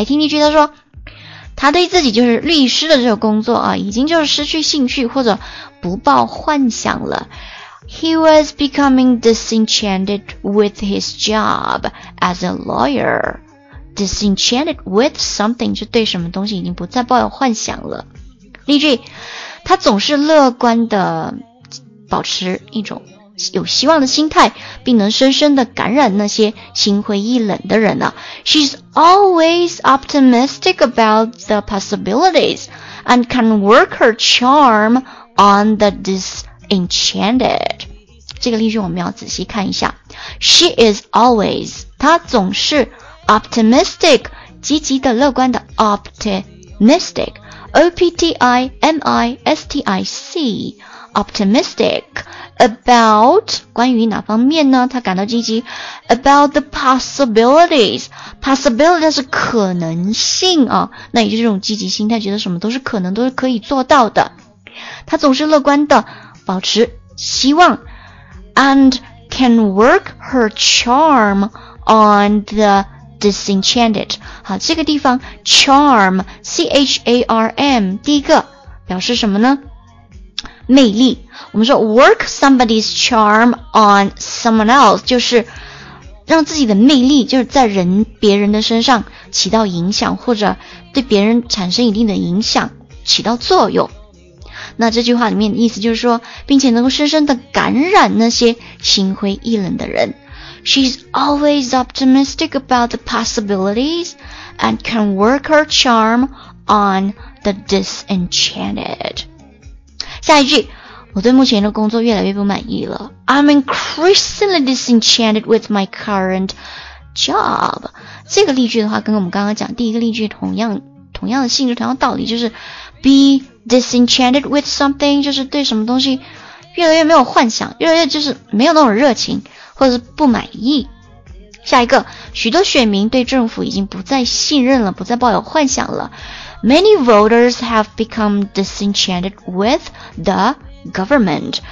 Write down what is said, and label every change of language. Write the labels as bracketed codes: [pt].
[zh] 来听一句，他说他对自己就是律师的这个工作啊，已经就是失去兴趣或者不抱幻想了。 [en] He was becoming disenchanted with his job as a lawyer. [zh] Disenchanted with something 就对什么东西已经不再抱有幻想了。例句，他总是乐观的保持一种有希望的心态，并能深深的感染那些心灰意冷的人呢。 [en] She's always optimistic about the possibilities and can work her charm on the disenchanted. [zh] 这个例句我们要仔细看一下。 [en] She is always, [zh] 她总是 optimistic, 积极的乐观的 optimistic, O-P-T-I-M-I-S-T-I-C, optimistic,About, 关于哪方面呢？他感到积极。 [en] About the possibilities. [zh] Possibility 是可能性啊，那也就是这种积极心态，觉得什么都是可能，都是可以做到的。他总是乐观的，保持希望。 [en] And can work her charm on the disenchanted. [zh] 好，这个地方 charm, C-H-A-R-M, 第一个表示什么呢？魅力。我们说 [en] work somebody's charm on someone else, [zh] 就是让自己的魅力就是在人别人的身上起到影响，或者对别人产生一定的影响，起到作用。那这句话里面的意思就是说，并且能够深深的感染那些心灰意冷的人。 [en] She's always optimistic about the possibilities and can work her charm on the disenchanted. [zh] 下一句，我对目前的工作越来越不满意了。 [en] I'm increasingly disenchanted with my current job. [zh] 这个例句的话跟我们刚刚讲第一个例句同样的性质，同样的道理，就是 be disenchanted with something, 就是对什么东西越来越没有幻想，越来越就是没有那种热情，或者是不满意。下一个，许多选民对政府已经不再信任了，不再抱有幻想了。 [en] Many voters have become disenchanted with the government.